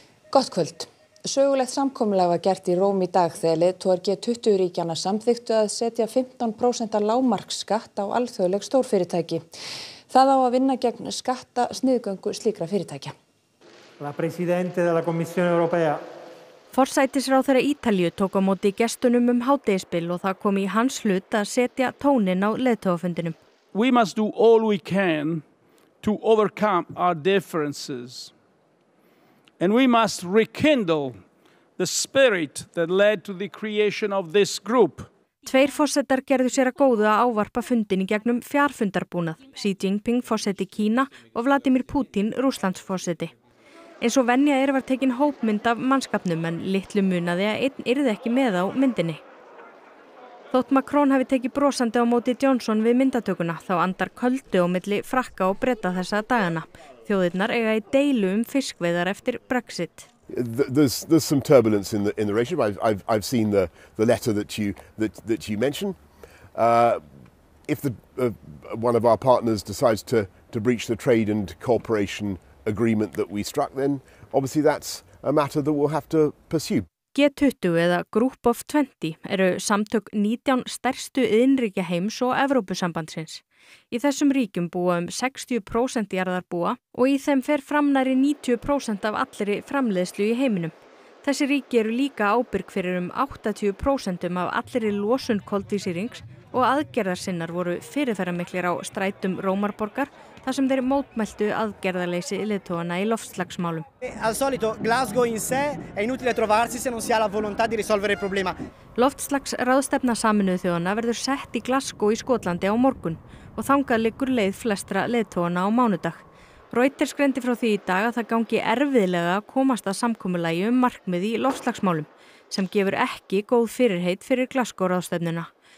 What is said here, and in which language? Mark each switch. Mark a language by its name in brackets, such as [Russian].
[Icelandic] Gott kvöld. Sögulegt samkomulag var gert í Róm í dag þegar leiðtogar G20 ríkjanna samþykktu að setja 15% lágmarksskatt á alþjóðleg stórfyrirtæki. Það á að vinna gegn skattasniðgöngu slíkra fyrirtækja. [Italian] La presidente della Commissione Europea. [Icelandic] Forsætisráðherra Ítalíu tók á móti gestunum hádegisbil og það kom í hans hlut að setja tóninn á leiðtogafundinum. [English] We must do all we can to overcome our differences. And we must rekindle the spirit that led to the creation of this group. [Icelandic] Tveir forsetar gerðu sér að góðu að ávarpa fundin í gegnum fjarfundarbúnað. Xi Jinping, forseti Kína og Vladimir Putin, Rússlands forseti. Eins og venja var tekin hópmynd af mannskapnum en litlu munaði að einn yrði ekki með á myndinni. Þótt Macron hafi tekið brosandi á móti Johnson við myndatökuna, þá andar köldu á milli frakka og breta þessa dagana. Þjóðirnar eiga í deilu fiskveiðar eftir Brexit. [English] There's some turbulence in the relationship. I've seen the letter that you mentioned. If one of our partners decides to breach the trade and cooperation agreement that we struck, then obviously that's a matter that we'll have to pursue. [Icelandic] G20 eða Group of 20 eru samtök 19 stærstu iðnríkja heims og Evrópusambandsins. Í þessum ríkjum búa 60% jarðarbúa og í þeim fer fram nærri 90% af allri framleiðslu í heiminum. Þessi ríki eru líka ábyrg fyrir 80% af allri losun koltvísýrings og aðgerðarsinnar voru fyrirferðarmiklir á strætum Rómarborgar þar sem þeir mótmæltu aðgerðaleysi leiðtoganna í loftslagsmálum. [Italian] Al solito Glasgow in sé è inutile trovarsi se non si ha la volontà di risolvere il problema. [Icelandic] Loftslagsráðstefna Sameinuðu þjóðanna verður sett í Glasgow í Skotlandi á morgun og þangað liggur leið flestra leiðtoganna á mánudag. Reuters greindi frá því í dag að það gangi erfiðlega að komast að samkomulagi markmið í loftslagsmálum sem gefur ekki góð fyrirheit fyrir Glasgow ráðstefnuna.